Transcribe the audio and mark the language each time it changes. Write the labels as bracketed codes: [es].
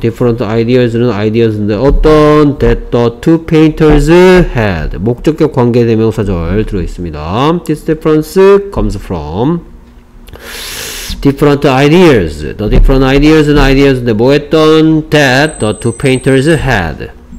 [en] different ideas는 ideas인데 어떤 that the two painters had. [ko] 목적격 관계대명사절 들어있습니다. [en] This difference comes from different ideas. The different ideas는 ideas인데 [ko] 뭐 했던 [en] that the two painters had.